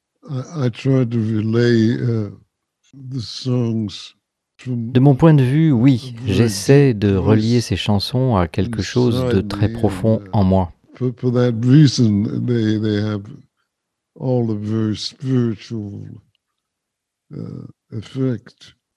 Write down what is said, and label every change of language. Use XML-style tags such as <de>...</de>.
<en>I try to relay the songs from.</en> <fr>De mon point de vue, oui, j'essaie de relier ces chansons à quelque chose de très profond en moi.</fr> <en>For that reason, they have all a very spiritual effect.</en>